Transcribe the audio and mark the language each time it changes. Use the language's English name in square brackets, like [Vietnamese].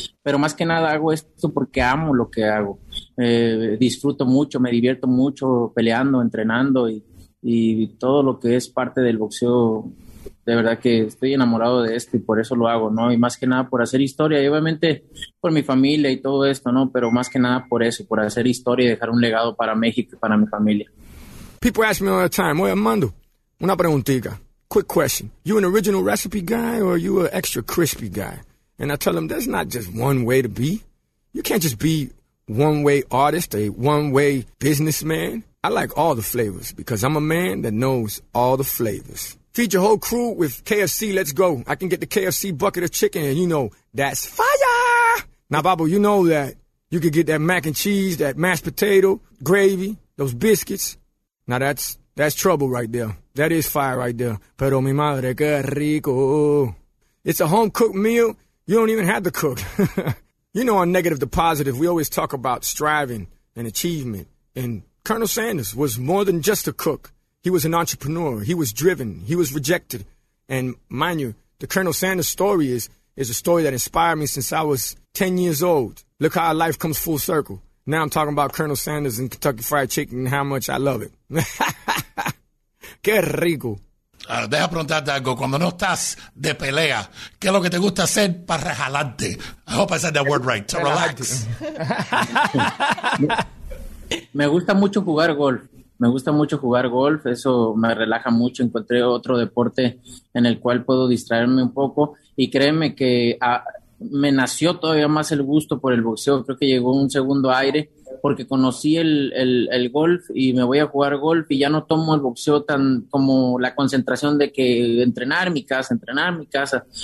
[Spanish] Pero más que nada hago esto porque amo lo que hago. Disfruto mucho, me divierto mucho peleando, entrenando y todo lo que es parte del boxeo. De verdad que estoy enamorado de esto y por eso lo hago, ¿no? Y más que nada por hacer historia y obviamente por mi familia y todo esto, ¿no? Pero más que nada por eso, por hacer historia y dejar un legado para México y para mi familia. [English] People ask me all the time, [Spanish] oye, [English] Armando, [Spanish] una preguntita, [English] quick question. You an original recipe guy or you an extra crispy guy? And I tell them, there's not just one way to be. You can't just be one way artist, a one way businessman. I like all the flavors because I'm a man that knows all the flavors. Feed your whole crew with KFC, let's go. I can get the KFC bucket of chicken, and you know, that's fire! Now, Babo, you know that you can get that mac and cheese, that mashed potato, gravy, those biscuits. Now, that's trouble right there. That is fire right there. [Spanish] Pero mi madre, qué rico. [English] It's a home-cooked meal. You don't even have to cook. You know, on Negative to Positive, we always talk about striving and achievement. And Colonel Sanders was more than just a cook. He was an entrepreneur. He was driven. He was rejected. And mind you, the Colonel Sanders story is a story that inspired me since I was 10 years old. Look how our life comes full circle. Now I'm talking about Colonel Sanders and Kentucky Fried Chicken and how much I love it. [Spanish] ¡Qué rico! Ahora, deja preguntarte algo. Cuando no estás de pelea, ¿qué es lo que te gusta hacer para relajarte? [English] I hope I said that word right. To relax. [Spanish] Me gusta mucho jugar golf. Me gusta mucho jugar golf. Eso me relaja mucho. Encontré otro deporte en el cual puedo distraerme un poco. Y créeme que me nació todavía más el gusto por el boxeo. Creo que llegó un segundo aire porque conocí el golf y me voy a jugar golf y ya no tomo el boxeo tan como la concentración de que entrenar mi casa.